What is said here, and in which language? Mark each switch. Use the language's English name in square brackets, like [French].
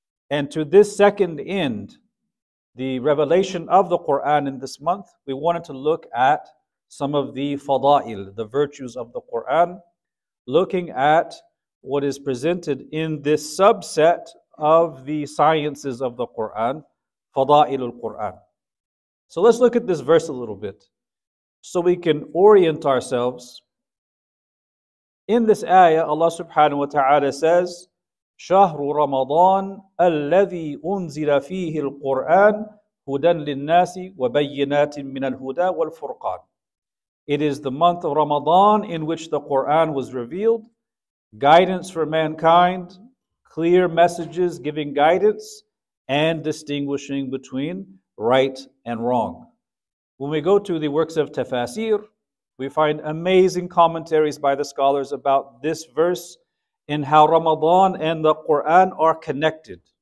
[English] And to this second end, the revelation of the Quran in this month, we wanted to look at some of the fada'il, the virtues of the Quran, looking at what is presented in this subset of the sciences of the Quran, fada'il al-Quran. So let's look at this verse a little bit so we can orient ourselves. In this ayah, Allah subhanahu wa ta'ala says, [Arabic] شَهْرُ رَمَضَانَ الَّذِي أُنزِلَ فِيهِ الْقُرْآنَ هُدًى لِلنَّاسِ وَبَيِّنَاتٍ مِّنَ الْهُدَى وَالْفُرْقَانِ. [English] It is the month of Ramadan in which the Quran was revealed, guidance for mankind, clear messages giving guidance, and distinguishing between right and wrong. When we go to the works of Tafasir, we find amazing commentaries by the scholars about this verse and how Ramadan and the Quran are connected.